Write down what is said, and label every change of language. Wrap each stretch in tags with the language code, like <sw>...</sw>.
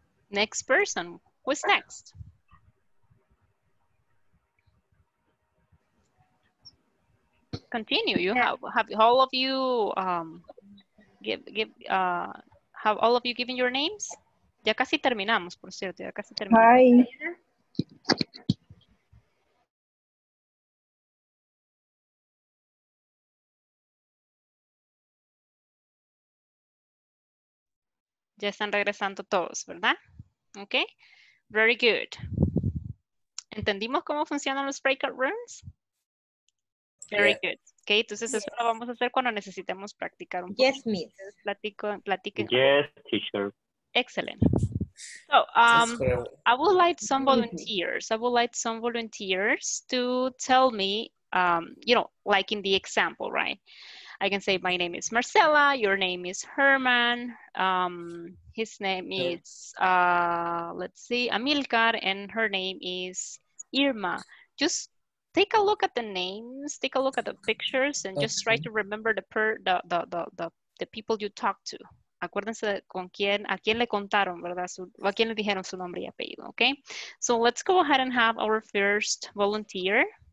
<en>Next person, who's next? Continue, you have all of you have all of you given your names?</en> <es>Ya casi terminamos, por cierto, ya casi terminamos.</es> <en>Hi.</en> <es>Ya están regresando todos, ¿verdad? Ok.</es> <en>Very good.</en> <es>¿Entendimos cómo funcionan los breakout rooms?</es> <en>Very yeah. Good.</en> <es>Ok, entonces eso lo vamos a hacer cuando necesitemos practicar un poco.</es> <en>Yes, miss.</en> <es>Platiquen.</es> <en>Yes, teacher. Excellent. So, I would like some volunteers. I would like some volunteers to tell me, you know, like in the example, right? I can say my name is Marcela, your name is Herman, his name is, let's see, Amilcar, and her name is Irma. Just take a look at the names, take a look at the pictures, and just try to remember the people you talk to.</en> <es>Acuérdense con quién, a quién le contaron, ¿verdad? A quién le dijeron su nombre y apellido, okay?</es> <en>So let's go ahead and have our first volunteer.</en>